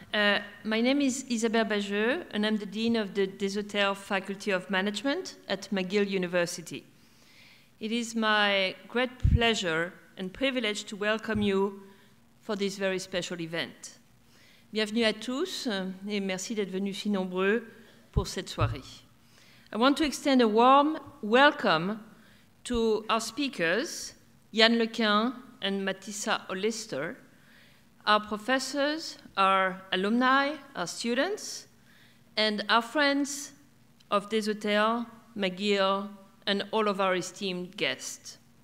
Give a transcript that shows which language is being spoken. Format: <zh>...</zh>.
<en>My name is Isabelle Bageux, and I'm the Dean of the Desautels Faculty of Management at McGill University. It is my great pleasure and privilege to welcome you for this very special event.</en> <fr>Bienvenue à tous, et merci d'être venus si nombreux pour cette soirée.</fr> <en>I want to extend a warm welcome to our speakers, Yann Lequin and Matissa Hollister, our professors, our alumni, our students, and our friends of Desautels, McGill, and all of our esteemed guests.</en>